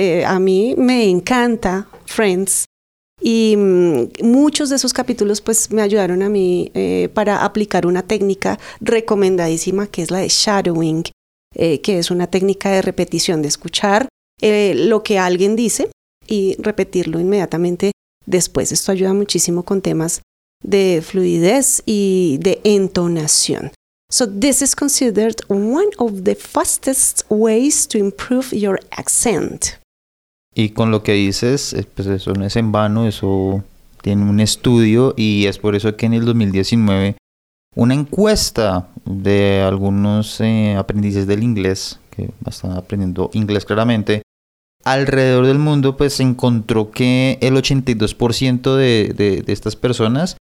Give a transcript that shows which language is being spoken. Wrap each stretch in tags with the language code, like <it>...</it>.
<es>A mí me encanta Friends y muchos de esos capítulos pues me ayudaron a mí para aplicar una técnica recomendadísima que es la de shadowing, que es una técnica de repetición, de escuchar lo que alguien dice y repetirlo inmediatamente después. Esto ayuda muchísimo con temas de fluidez y de entonación.</es> <en>So this is considered one of the fastest ways to improve your accent.</en> <es>Y con lo que dices, pues eso no es en vano, eso tiene un estudio y es por eso que en el 2019 una encuesta de algunos aprendices del inglés, que están aprendiendo inglés claramente, alrededor del mundo pues se encontró que el 82% de estas personas</es>